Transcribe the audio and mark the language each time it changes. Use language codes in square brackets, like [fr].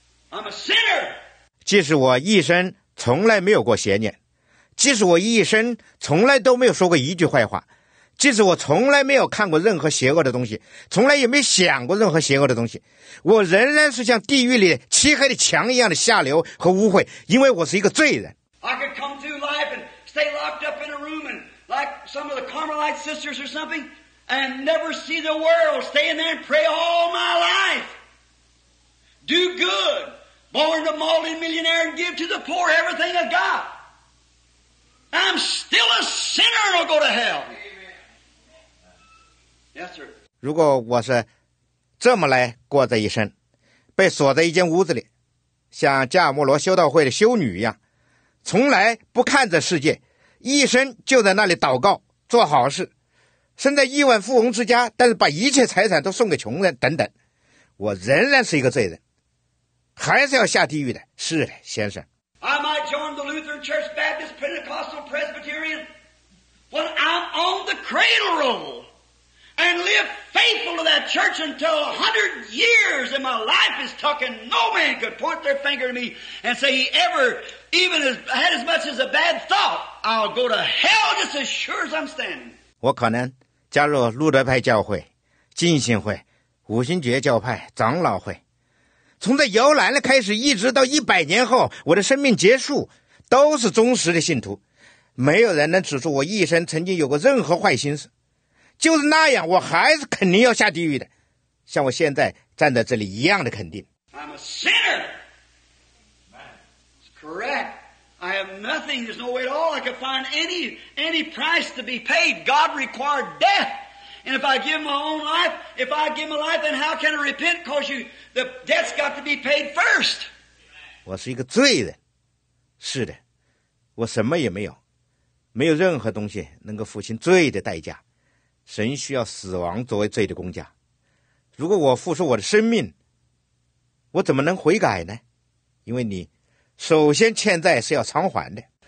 [en] I'm a sinner. [zh] 即使我一生从来没有过邪念，即使我一生从来都没有说过一句坏话，即使我从来没有看过任何邪恶的东西，从来也没想过任何邪恶的东西，我仍然是像地狱里漆黑的墙一样的下流和污秽，因为我是一个罪人。 [en] I could come through life and stay locked up in a room and like some of the Carmelite sisters or something and never see the world, stay in there and pray all my life. Do good, born a multi-millionaire and give to the poor everything I got. I'm still a sinner and I'll go to hell. Yes, sir. [zh] 如果我是这么来过这一生，被锁在一间屋子里，像迦摩罗修道会的修女一样，从来不看这世界，一生就在那里祷告做好事，生在亿万富翁之家，但是把一切财产都送给穷人等等，我仍然是一个罪人，还是要下地狱的。是的，先生。 [en] I might join the Lutheran Church, Baptist, Pentecostal, Presbyterian, but I'm on the cradle roll and live faithful to that church until 100 years and my life is tucking. No man could point their finger at me and say he ever. Even as had as much as a bad thought, I'll go to hell just as sure as I'm standing. [zh] 我可能加入路德派教会、浸信会、五旬节教派、长老会，从这摇篮的开始，一直到100年后我的生命结束，都是忠实的信徒，没有人能指出我一生曾经有过任何坏心思。就是那样，我还是肯定要下地狱的，像我现在站在这里一样的肯定。 [en] I'm a sinner. Correct. I have nothing. There's no way at all I could find any price to be paid. God required death. And if I give my own life, if I give my life, then how can I repent? Because the debt's got to be paid first. [zh] 我是一个罪人。是的，我什么也没有，没有任何东西能够付清罪的代价。神需要死亡作为罪的公价。如果我付出我的生命，我怎么能悔改呢？因为你首先欠债是要偿还的。